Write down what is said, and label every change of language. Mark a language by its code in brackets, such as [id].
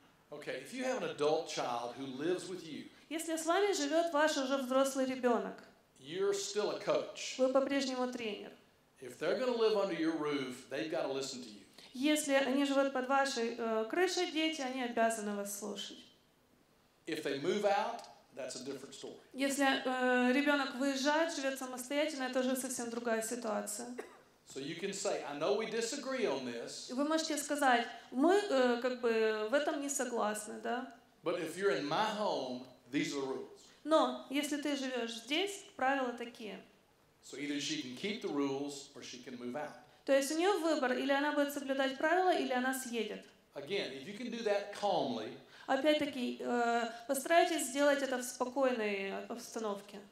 [en] Okay, if you have an adult child who lives with you, [ru] если с вами живет ваш уже взрослый ребенок, [en] you're still a coach. [ru] Вы по-прежнему тренер. [en] If they're going to live under your roof, they've got to listen to you. [ru] Если они живут под вашей крышей, дети, они обязаны вас слушать. [en] Out, [ru] если ребенок выезжает, живет самостоятельно, это уже совсем другая ситуация. [en] So you can say, I know we disagree on this. [ru] Вы можете сказать, мы как бы в этом не согласны, да? [en] But if you're in my home, these are rules. [ru] Но если ты живешь здесь, правила такие. [en] So either she can keep the rules or she can move out. [ru] То есть у нее выбор, или она будет соблюдать правила, или она съедет. [en] Again, if you can do that calmly, [ru] опять-таки, постарайтесь сделать это в спокойной обстановке.